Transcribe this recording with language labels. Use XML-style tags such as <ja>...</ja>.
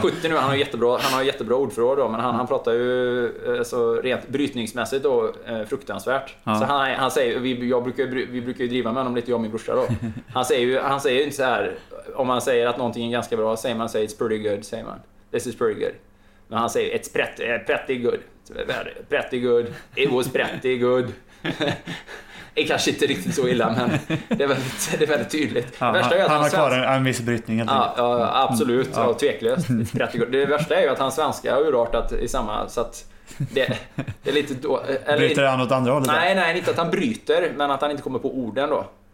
<sv>70 nu, han har jättebra ordförråd då, men han pratar ju så rent brytningsmässigt då fruktansvärt. Ja. Så han säger, vi brukar ju driva med honom lite, jag och min brorsa då. Han säger ju inte såhär, om man säger att någonting är ganska bra, säger man</sv> <en>it's pretty good,</en> <sv>säger man.</sv> <en>This is pretty good.</en> <sv>Men han säger</sv> <en>it's pretty good. Pretty good, it was pretty good.</en> <sv>Det kanske inte riktigt så illa, men det är väldigt tydligt. Ja, det värsta är att han har kvar en viss brytning. Ja, absolut, ja. Ja, tveklöst.</sv> <en>Pretty good.</en> <sv>Det värsta är ju att han svenska har urartat i samma, så att det är lite då, eller, bryter han åt andra hållet? Nej, inte att han bryter, men att han inte kommer på orden då.</sv>